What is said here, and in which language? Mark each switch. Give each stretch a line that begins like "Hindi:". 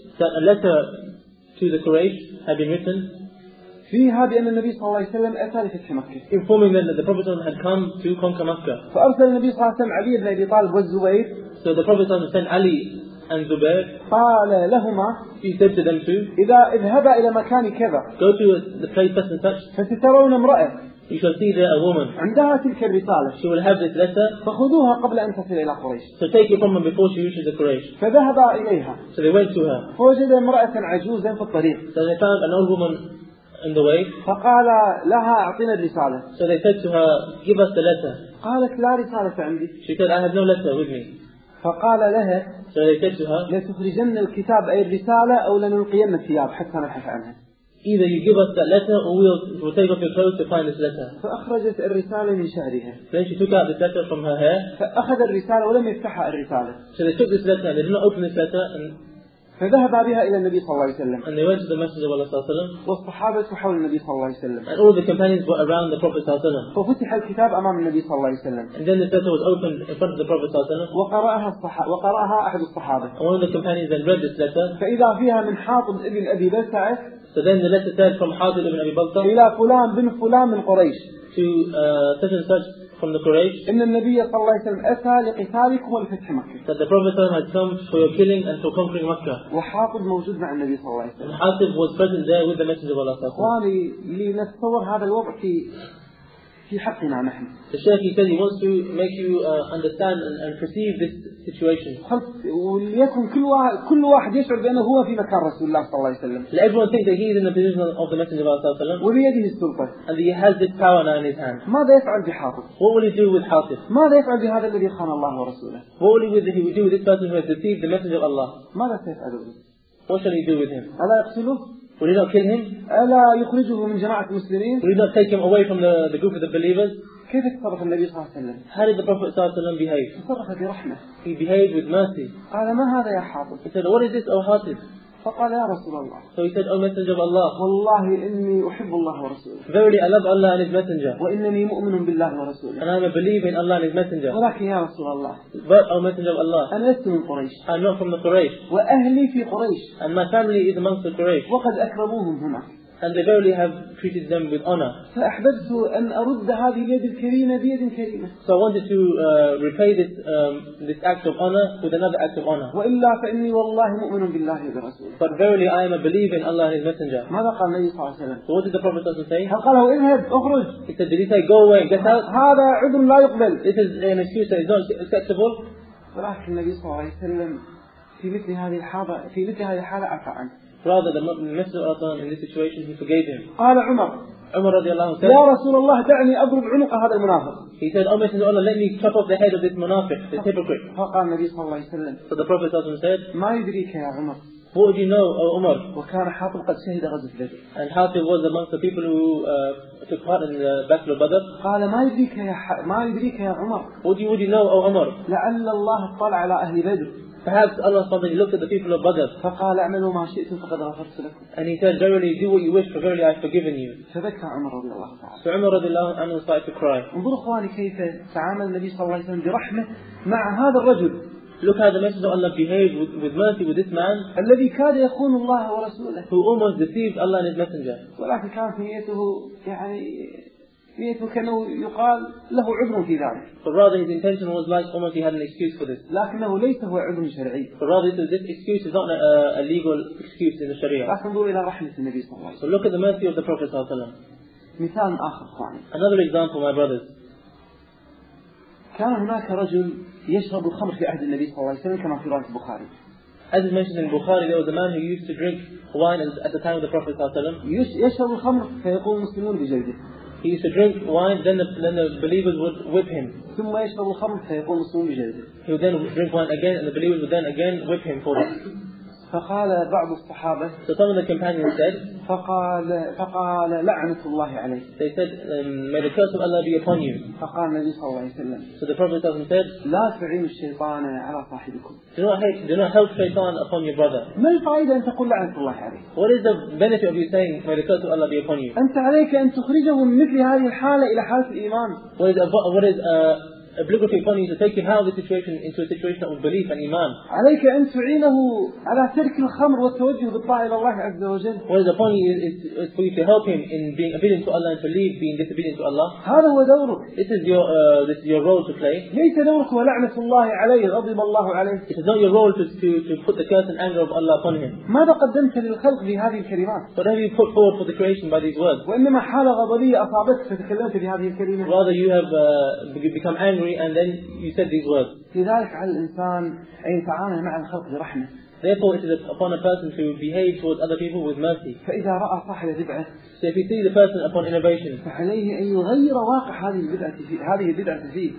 English: That a letter to the Quraysh had been written.
Arabic: فيها بأن النبي صلى الله عليه وسلم أتى لفتح مكة.
English: Informing them that the Prophet صلى الله عليه وسلم had come to conquer Mecca.
Arabic: فأرسل النبي صلى الله عليه وسلم علي بن أبي طالب والزبير.
English: So the Prophet صلى الله عليه وسلم sent Ali and Zubair.
Arabic: قال لهما.
English: He said to them too.
Arabic: إذا اذهبا إلى مكان كذا.
English: Go to the place such and such.
Arabic: فسترون امرأة.
English: You shall see there a woman.
Arabic: عندها تلك الرسالة.
English: She will have this letter.
Arabic: فخذوها قبل أن تصل إلى قريش.
English: So take it from her before she reaches the Quraysh.
Arabic: فذهب إليها.
English: So they went to her.
Arabic: فوجد امرأة عجوزا في الطريق.
English: So they found an old woman in the way.
Arabic: فقال لها أعطينا الرسالة.
English: So they said to her, give us the letter.
Arabic: قالت لا رسالة عندي.
English: She said, I have no letter with me.
Arabic: فقال لها.
English: So they said to her,
Arabic: لتخرجن الكتاب أي الرسالة أو لنلقين الثياب حتى نبحث عنها.
English: Either you give us that letter or we'll take off your clothes to find this letter.
Arabic: فأخرجت الرسالة من شعرها.
English: Then she took out this letter from her hair.
Arabic: فأخذ الرسالة ولم يفتحها الرسالة.
English: So they took this letter and they did not open this letter and
Arabic: فذهب بها إلى النبي صلى الله عليه وسلم.
English: And they went to the Messenger صلى الله عليه وسلم.
Arabic: والصحابة حول النبي صلى الله عليه وسلم.
English: And all the companions were around the Prophet صلى الله عليه وسلم.
Arabic: ففتح الكتاب أمام النبي صلى الله عليه وسلم.
English: And then the letter was opened in front of the Prophet صلى الله عليه وسلم.
Arabic: وقرأها أحد الصحابة.
English: And one of the companions then read this letter.
Arabic: فإذا فيها من حاطب ابن أبي بلتعة.
English: So then the letter said from Hatib ibn Abi Balta'ah.
Arabic: إلى فلان بن فلان من قريش.
English: To such and such from the Quraysh.
Arabic: إن النبي صلى الله عليه وسلم أتى لقتالكم ولفتح مكة.
English: That the Prophet had come for your killing and for conquering Makkah.
Arabic: وحاطب موجود مع النبي صلى الله عليه وسلم.
English: And Hatib was present there with the Messenger of Allah.
Arabic: إخواني لنتصور هذا الوضع في حقنا نحن.
English: The Shaykh said he wants to make you understand and perceive this situation.
Arabic: وليكن كل واحد يشعر بأنه هو في مكان رسول الله صلى الله عليه وسلم.
English: Let everyone think that he is in the position of the Messenger of Allah صلى الله عليه وسلم.
Arabic: وبيده السلطة.
English: And he has this power now in his hand.
Arabic: ماذا يفعل بحاطب؟
English: What will he do with حاطب؟
Arabic: ماذا يفعل بهذا الذي خان الله ورسوله؟
English: What will he do with this person who has deceived the Messenger of Allah?
Arabic: ماذا سيفعل به؟
English: What shall he do with him?
Arabic: ألا يقتله؟
English: Will he not kill him?
Arabic: ألا يخرجه من جماعة المسلمين؟
English: Will he not take him away from the group of the believers?
Arabic: كيف تصرف النبي صلى الله عليه وسلم؟
English: How did the Prophet صلى الله عليه وسلم behave?
Arabic: تصرف برحمة.
English: He behaved with mercy.
Arabic: قال ما هذا يا حاطب؟
English: He said, What is this, O Hatib?
Arabic: فقال يا رسول الله.
English: So he said, O Messenger of Allah.
Arabic: والله إني أحب الله ورسوله.
English: Verily I love Allah and His Messenger.
Arabic: وإنني مؤمن بالله ورسوله.
English: And I'm a believer in Allah and His Messenger.
Arabic: ولكن يا رسول الله.
English: But O Messenger of Allah.
Arabic: أنا لست من قريش.
English: I'm not from the Quraysh.
Arabic: وأهلي في قريش.
English: And my family is amongst the Quraysh.
Arabic: وقد أكرموهم هنا.
English: And they verily have treated them with honor. So I wanted to repay this act of honor with another act of honor. But verily I am a believer in Allah and His Messenger. So what did the Prophet say? He said, did he say, go away and get out? This is an excuse that is not acceptable. Rather, the Messenger of Allah in this situation, he forgave him.
Arabic: قال عمر. عمر رضي الله عنه. يا رسول الله دعني أضرب عنق هذا المنافق.
English: He said, O Messenger of Allah, let me chop off the head of this منافق, this hypocrite.
Arabic: فقال النبي صلى الله عليه وسلم.
English: So the Prophet صلى الله عليه وسلم said,
Arabic: ما يدريك يا عمر.
English: What would you know, O Umar?
Arabic: وكان حاطب قد شهد غزوة بدر.
English: And Hatib was amongst the people who took part in the Battle of Badr.
Arabic: قال ما يدريك يا عمر.
English: What would you know, O Umar?
Arabic: لعل الله اطلع على أهل بدر.
English: Perhaps Allah SWT looked at the people of Badr.
Arabic: فقال اعملوا ما شئتم فقد غفرت لكم.
English: And he said, verily do what you wish, for verily I have forgiven you.
Arabic: فبكى عمر رضي الله
English: عنه. So عمر رضي الله عنه started to cry.
Arabic: انظروا اخواني كيف تعامل النبي صلى الله عليه وسلم برحمة مع هذا الرجل.
English: Look how the Messenger of Allah behaved with mercy with this man.
Arabic: الذي كاد يخون الله ورسوله.
English: Who almost deceived Allah and His Messenger.
Arabic: ولكن كان في نيته يعني نيته كانه يقال له عذر في ذلك.
English: But rather his intention was like almost he had an excuse for this.
Arabic: لكنه ليس هو عذر شرعي.
English: But rather this excuse is not a legal excuse in the Sharia.
Arabic: لكن انظر إلى رحمة النبي صلى الله عليه وسلم.
English: So look at the mercy of the Prophet صلى الله عليه وسلم.
Arabic: مثال آخر أخواني.
English: Another example, my brothers.
Arabic: كان هناك رجل يشرب الخمر في عهد النبي صلى الله عليه وسلم كما في رواية البخاري.
English: As is mentioned in Bukhari, there was a man who used to drink wine at the time of the Prophet صلى الله عليه وسلم.
Arabic: يشرب الخمر فيقول المسلمون بجلده.
English: He used to drink wine, then the believers would whip him.
Arabic: ثم يشرب الخمر فيقول المسلمون بجلده.
English: He would then drink wine again, and the believers would then again whip him for this.
Arabic: فقال بعض الصحابة.
English: So some of the companions said.
Arabic: فقال لعنة الله عليك.
English: They said, may the curse of Allah be upon you.
Arabic: فقال النبي صلى الله عليه وسلم.
English: So the Prophet said.
Arabic: لا تعين الشيطان على صاحبكم.
English: Do not help Shaitan upon your brother.
Arabic: ما الفائدة أن تقول لعنة الله عليك؟
English: What is the benefit of you saying may the curse of Allah be upon you?
Arabic: أنت عليك أن تخرجه من مثل هذه الحالة إلى حالة الإيمان.
English: Obligatory upon you to take him out of the situation into a situation of belief and iman.
Arabic: عليك أن تعينه على ترك الخمر والتوجه بالطاعة إلى الله عز وجل.
English: What is upon you is for you to help him in being obedient to Allah and to leave being disobedient to Allah.
Arabic: هذا هو دورك.
English: This is your role to play.
Arabic: ليس دورك ولعنة الله عليه غضب الله عليه.
English: It is not your role to put the curse and anger of Allah upon him.
Arabic: ماذا قدمت للخلق بهذه الكلمات؟
English: What have you put forward for the creation by these words?
Arabic: وإنما حالة غضبية أصابتك فتكلمت بهذه الكلمات.
English: Rather you have become angry and then you said these words.
Arabic: لذلك على الإنسان أن يتعامل مع الخلق برحمة.
English: Therefore, it is upon a person to behave towards other people with mercy.
Arabic: فإذا رأى صاحب البدعة.
English: So if you see the person upon innovation.
Arabic: فعليه أن يغير واقع هذه البدعة فيه.